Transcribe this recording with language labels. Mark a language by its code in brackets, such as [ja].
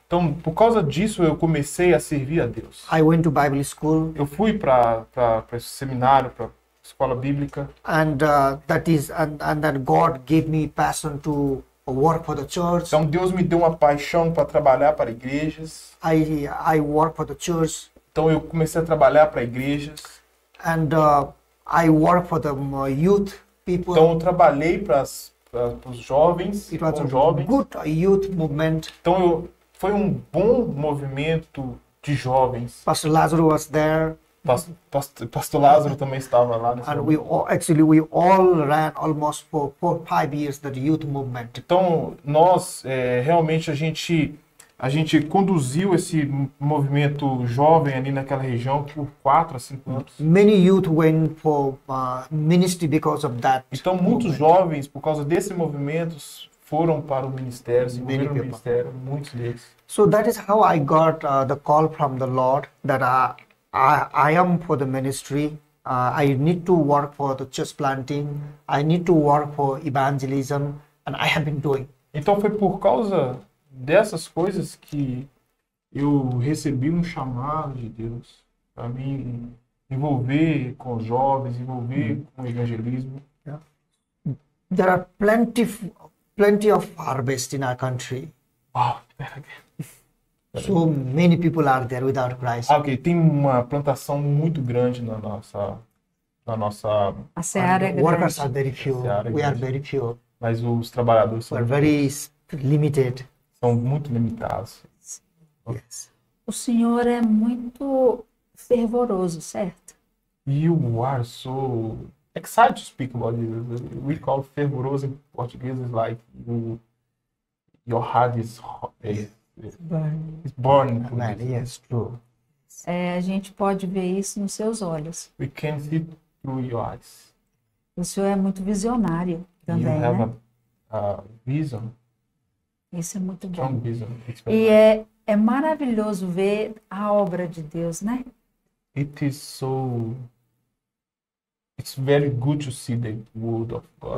[pt] Então por causa disso eu comecei a servir a Deus. [en] I went to Bible school. [pt] Eu fui para esse seminário, para escola bíblica. [en] And that God gave me passion to work for the church. [pt] Então Deus me deu uma paixão para trabalhar para igrejas. [en] I work for the church. [pt] Então eu comecei a trabalhar para igrejas. [en] And I work for the youth people. [pt] Então eu trabalhei para os jovens. [en] It was [pt] com jovens. [en] Good youth movement. [pt] Então foi um bom movimento de jovens. [en] Pastor Lázaro was there. [pt] Pastor Lázaro também estava lá nesse [en] and we all, actually we all ran almost for 4-5 years the youth movement. [pt] Então nós realmente a gente conduziu esse movimento jovem ali naquela região por 4-5 anos. [en] Many youth went for ministry because of that. [pt] Então muitos jovens por causa desse movimento foram para o ministério, se envolveram no ministério, muitos deles. [en] So that is how I got the call from the Lord that I am for the ministry. I need to work for the church planting. I need to work for evangelism, and I have been doing. [pt] Então foi por causa dessas coisas que eu recebi um chamado de Deus para me envolver com jovens, envolver com evangelismo. [en] Yeah. There are plenty of harvest in our country. Wow, there again. So many people are there without Christ. [pt] Ok, tem uma plantação muito grande na nossa a seara é grande. [en] Workers are very few. We are very few. [pt] Mas os trabalhadores são [en] very limited. [pt] São muito limitados. [en] Yes. [pt] O senhor é muito fervoroso, certo? [en] You are so excited to speak about it. We call fervoroso in Portuguese like your heart is hot. It's burning. Yes, true. [pt] A gente pode ver isso nos seus olhos. [en] We can see through your eyes. [pt] O senhor é muito visionário também, [en] you have, [pt] né? [en] Vision. [pt] Isso é muito [en] strong [pt] bom. [en] Vision. [pt] E é maravilhoso ver a obra de Deus, né? [en] It is so. It's very good to see the word of God.